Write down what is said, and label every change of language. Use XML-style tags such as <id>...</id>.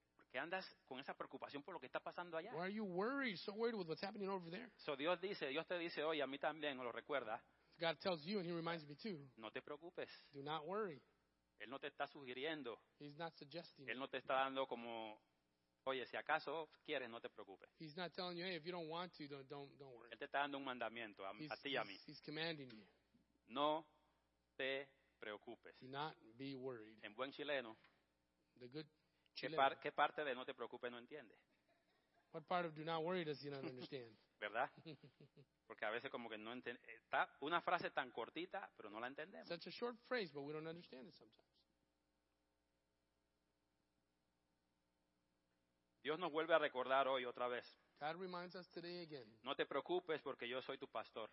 <es>¿Qué andas con esa preocupación por lo que está pasando allá?</es> <en>Why are you worried, so worried with what's happening over there?</en> <es>So Dios dice, Dios te dice hoy, a mí también, lo recuerda.</es> <en>God tells you and he reminds me too.</en> <es>No te preocupes.</es> <en>Do not worry.</en> <es>Él no te está sugiriendo.</es> <en>He's not suggesting.</en> <es>Él no te está dando como, oye, si acaso quieres, no te preocupes.</es> <en>He's not telling you, hey, if you don't want to, don't worry.</en> <es>Él te está dando un mandamiento a ti y a mí.</es> <en>He's commanding you.</en> <es>No te preocupes.</es> <en>Do not be worried.</en> <es>En buen chileno.</es> <en>The good</en> <es>¿Qué parte de no te preocupes no entiende?</es> <en>What part of do not worry does he not understand?</en> <es>¿Verdad? Porque a veces como que no entiende. Está una frase tan cortita, pero no la entendemos.</es> <en>Such a short phrase, but we don't understand it sometimes.</en> <es>Dios nos vuelve a recordar hoy otra vez.</es> <en>God reminds us today again.</en> <es>No te preocupes porque yo soy tu pastor.</es>